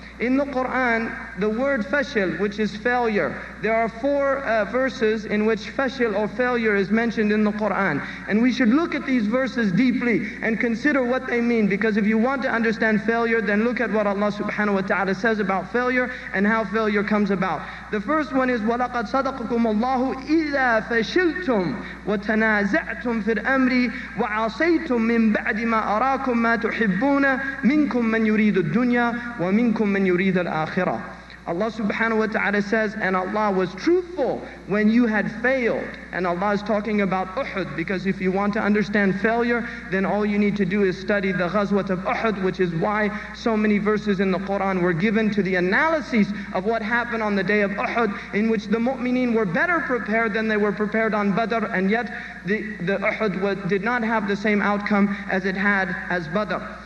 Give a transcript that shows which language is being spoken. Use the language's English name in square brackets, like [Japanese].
[English] In the Quran, the word fashil, which is failure, there are four verses in which fashil or failure is mentioned in the Quran. And we should look at these verses deeply and consider what they mean, because if you want to understand failure, then look at what Allah subhanahu wa ta'ala says about failure and how failure comes about. The first one is, [Arabic] وَلَقَدْ صَدَقَكُمُ اللَّهُ إِذَا فَشِلْتُمْ وَتَنَازَعْتُمْ فِي الْأَمْرِ وَعَصَيْتُمْ مِنْ بَعْدِ مَا أَرَاكُمْ مَا تُحِبُّونَ مِنْكُمْ مَنْ يُرِيدُ الدُّنْيَا وَمِنْكُمْ مَنْ يُرِيدُ الْآخِرَةَ. [English] Allah subhanahu wa ta'ala says, and Allah was truthful when you had failed. And Allah is talking about Uhud, because if you want to understand failure, then all you need to do is study the Ghazwat of Uhud, which is why so many verses in the Quran were given to the analysis of what happened on the day of Uhud, in which the mu'mineen were better prepared than they were prepared on Badr, and yet the Uhud did not have the same outcome as it had as Badr.